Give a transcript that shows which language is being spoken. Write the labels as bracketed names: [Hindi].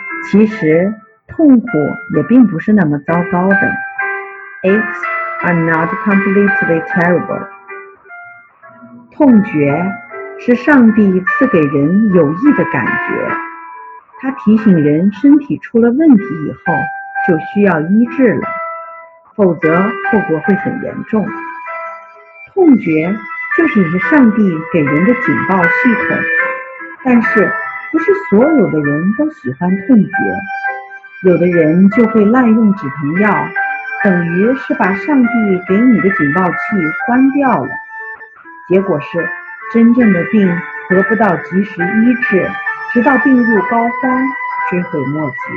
[Chinese] 其实痛苦也并不是那么糟糕的。 [English] Aches are not completely terrible. [Chinese] 痛觉是上帝赐给人有益的感觉，它提醒人身体出了问题以后就需要医治了，否则后果会很严重。痛觉就是上帝给人的警报系统，但是不是所有的人都喜欢痛觉，有的人就会滥用止疼药，等于是把上帝给你的警报器关掉了，结果是真正的病得不到及时医治，直到病入膏肓，追悔莫及。